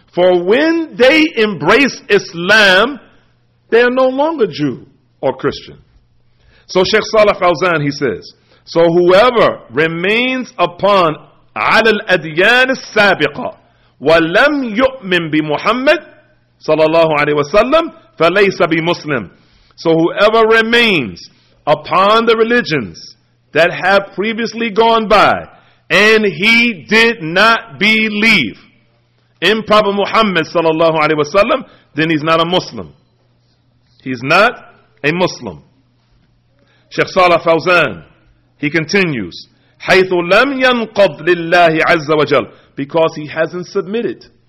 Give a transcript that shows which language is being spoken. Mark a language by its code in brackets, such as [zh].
[en] For when they embrace Islam, they are no longer Jew or Christian. So Sheikh Salah Fawzan, he says, so whoever remains upon [ar] عَلَى الْأَدْيَانِ السَّابِقَةِ وَلَمْ يُؤْمِن بِمُحَمَّدْ صَلَى اللَّهُ عَلَيْهِ وَسَلَّمْ فَلَيْسَ بِمُسْلِمْ. [en] So whoever remains upon the religions that have previously gone by, and he did not believe in Prophet Muhammad sallallahu alaihi wasallam, then he's not a Muslim. He's not a Muslim. Sheikh Salah Fawzan, he continues, [ar] حَيْثُ لَمْ يَنْقَضْ لِلَّهِ عَزَّ وَجَلْ, [en] because he hasn't submitted.